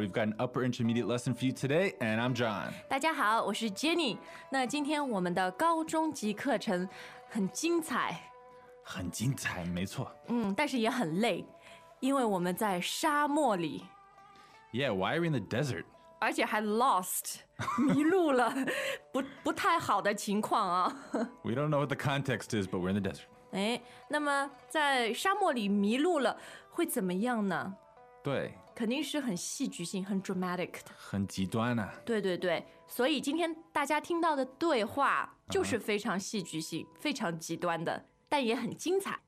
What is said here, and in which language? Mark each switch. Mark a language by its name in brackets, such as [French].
[English] We've got an upper intermediate lesson for you today, and I'm John. [Chinese] 大家好，我是 Jenny。那今天我们的高中级课程很精彩，很精彩，没错。但是也很累，因为我们在沙漠里。 [English] Yeah, why are we in the desert? [Chinese] 而且还 [English] lost, [Chinese] 迷路了，不太好的情况啊。 [English] We don't know what the context is, but we're in the desert. [Chinese] 哎，那么在沙漠里迷路了会怎么样呢？对，肯定是很戏剧性，很 dramatic 的，很极端啊。对对对，所以今天大家听到的对话就是非常戏剧性，非常极端的，但也很精彩。